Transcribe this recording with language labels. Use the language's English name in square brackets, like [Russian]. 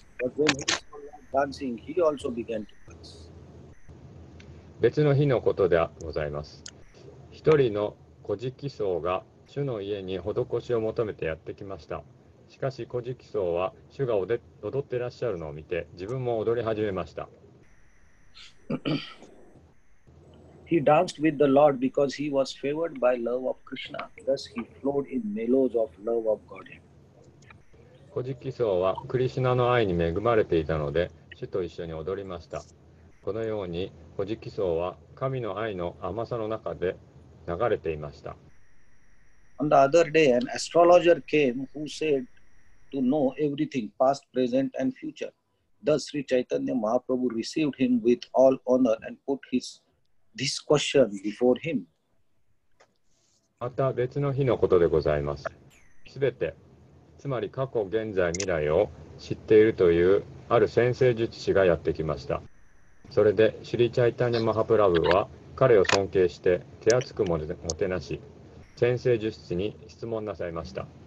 [English] But when he saw Lord dancing, he also began to dance. [Japanese] 別の日のことでございます。一人の乞食僧が主の家に施しを求めてやってきました。しかし乞食僧は主が踊っていらっしゃるのを見て、自分も踊り始めました。 [English] He danced with the Lord because he was favored by love of Krishna. Thus he flowed in mellows of love of Godhead. [Japanese] 乞食僧はクリシュナの愛に恵まれていたので、主と一緒に踊りました。このように乞食僧は神の愛の甘さの中で流れていました。 [English] On the other day, an astrologer came who said to know everything, past, present and future. Thus Sri Chaitanya Mahaprabhu received him with all honor and put his... This question before him. [Japanese] また別の日のことでございます。すべて、つまり過去、現在、未来を知っているというある先生術師がやってきました。それでシュリ・チャイタニャ・マハプラブは彼を尊敬して手厚くもてなし、先生術師に質問なさいました。